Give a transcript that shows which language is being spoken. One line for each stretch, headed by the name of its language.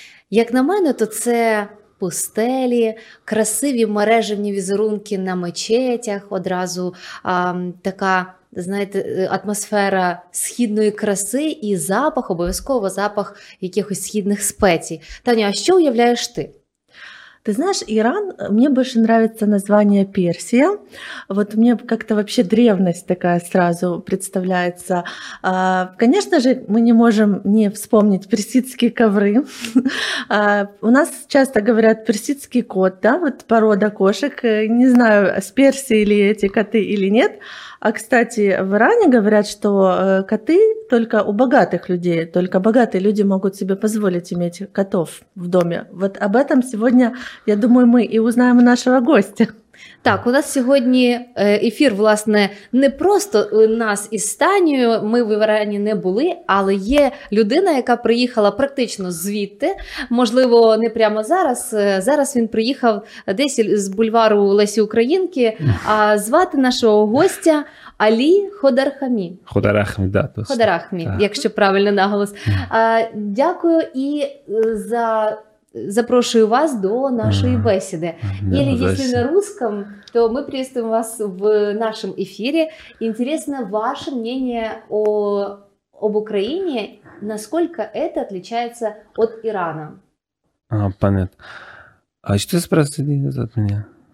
Ukrainian: Як на мене, то це пустелі, красиві мережеві візерунки на мечетях, одразу така, знаєте, атмосфера східної краси і запах, обов'язково запах якихось східних спецій. Таня, а що уявляєш ти?
Russian: Ты знаешь, Иран, мне больше нравится название Персия. Вот мне как-то вообще древность такая сразу представляется. Конечно же, мы не можем не вспомнить персидские ковры. У нас часто говорят персидский кот, да, вот порода кошек. Не знаю, с Персии ли эти коты или нет. А, кстати, в Иране говорят, что коты только у богатых людей, только богатые люди могут себе позволить иметь котов в доме. Вот об этом сегодня, я думаю, мы и узнаем у нашего гостя.
Ukrainian: Так, у нас сьогодні ефір, власне, не просто у нас із Станією, ми в Ірані не були, але є людина, яка приїхала практично звідти, можливо, не прямо зараз. Зараз він приїхав десь з бульвару Лесі Українки, а звати нашого гостя Алі Ходархамі. Ходарахмі, да, так. Ходарахмі, якщо правильний наголос. Дякую і за... Запрошую вас до нашої бесіди.
Russian: Или если на русском, то мы приветствуем вас в нашем эфире. Интересно ваше мнение об Украине, насколько это отличается от Ирана? А, понятно. А что ты спросили за меня?